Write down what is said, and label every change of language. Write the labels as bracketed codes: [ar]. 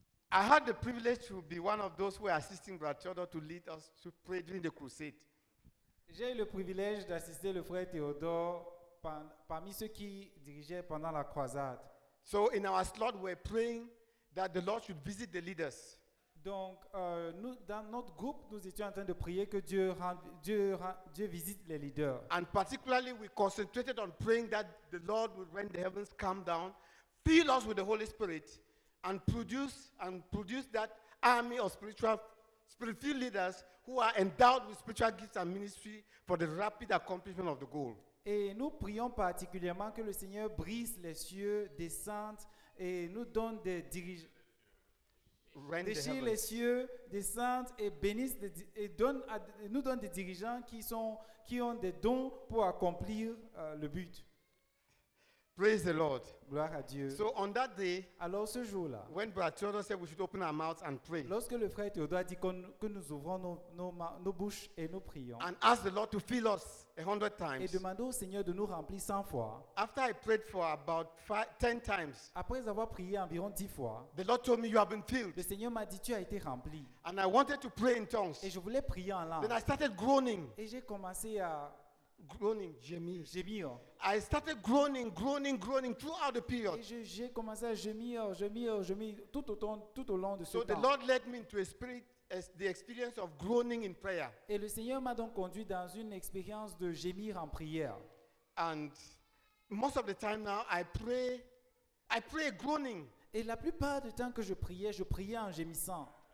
[en] I had the privilege to be one of those who are assisting Brother Theodore to lead us to pray during the crusade. [fr] J'ai eu le privilège d'assister le frère Théodore parmi ceux qui dirigeaient pendant la croisade. [en] So in our slot, we're praying that the Lord should visit the leaders. [fr] Donc, nous, dans notre groupe, nous étions en train de prier que Dieu visite les leaders. [en] And particularly, we concentrated on praying that the Lord would rend the heavens calm down, fill us with the Holy Spirit, and produce that army of spirit-filled leaders who are endowed with spiritual gifts and ministry for the rapid accomplishment of the goal. [fr] Et nous prions particulièrement que le Seigneur brise les cieux, descende et nous donne des dirigeants. Déchire les cieux, descende et bénisse et nous donne des dirigeants qui ont des dons pour accomplir le but. [en] Praise the Lord. [fr] Gloire à Dieu. [en] So on that day, [fr] alors ce jour-là, [en] when Brother Theodore said we should open our mouths and pray, [fr] lorsque le frère Théodore a dit que nous ouvrons nos bouches et nous prions, [en] and ask the Lord to fill us 100 times, [fr] et demander au Seigneur de nous remplir 100 fois, [en] after I prayed for about 10 times, [fr] après avoir prié environ 10 fois, [en] the Lord told me you have been filled. [fr] Le Seigneur m'a dit tu as été rempli. [en] And I wanted to pray in tongues. [fr] Et je voulais prier en langue. [en] Then I started groaning. [fr] Et j'ai commencé à [en] groaning, [fr] gémir. [en] I started groaning throughout the period. [fr] J'ai commencé à gémir tout au long de ce temps. [en] So the Lord led me into a spirit as the experience of groaning in prayer. [fr] Et le Seigneur m'a donc conduit dans une expérience de gémir en prière. [en] And most of the time now I pray groaning. [fr] Et la plupart du temps que je priais en gémissant.